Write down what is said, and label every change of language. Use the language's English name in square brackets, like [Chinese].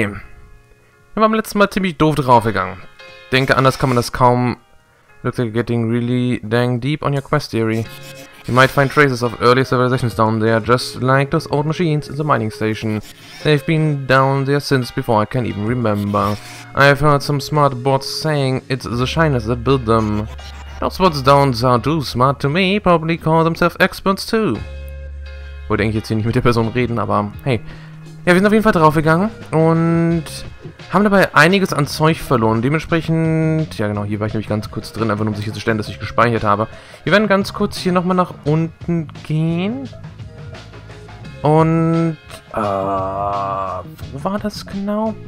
[German] Wir waren beim letzten Mal ziemlich doof draufgegangen. Denke, anders kann man das kaum. [English] Looks like you're getting really dang deep on your quest theory. You might find traces of early civilizations down there, just like those old machines in the mining station. They've been down there since before I can even remember. I've heard some smart bots saying it's the shiners that build them. Those bots down there are too smart to me, probably call themselves experts too. [German] Ich wollte eigentlich jetzt hier nicht mit der Person reden, aber hey. Ja, wir sind auf jeden Fall draufgegangen und haben dabei einiges an Zeug verloren. Dementsprechend, ja genau, hier war ich nämlich ganz kurz drin, einfach nur um sicherzustellen, dass ich gespeichert habe. Wir werden ganz kurz hier nochmal nach unten gehen. Und, wo war das genau?